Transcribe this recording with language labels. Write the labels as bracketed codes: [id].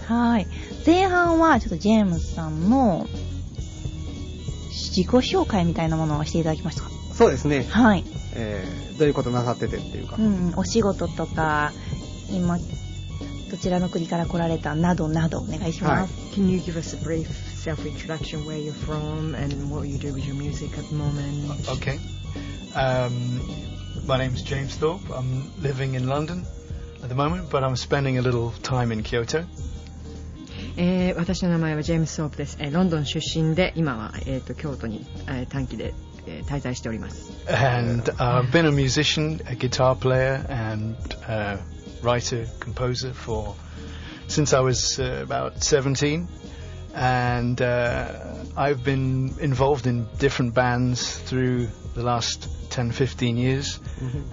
[ja] はい、前半はちょっとジェームスさんの自己紹介みたいなものをしていただきました。そうですね、はい。どういうことなさっててっていうか、うん、お仕事とか今どちらの国から来られたなどなどお願いします。はい、 [en] Can you give us a brief self-introduction, where you're from and what you do with your music at the moment? Okay. My name is James Thorpe. I'm living in London at the moment, but I'm spending a little time in Kyoto. [ja] 私の名前はジェームス・ソープです。ロンドン出身で今は、京都に、短期で、滞在しております。 [en] And I've been a musician, a guitar player and a writer, composer for since I was about 17 and I've been involved in different bands through the last 10-15 years、mm-hmm.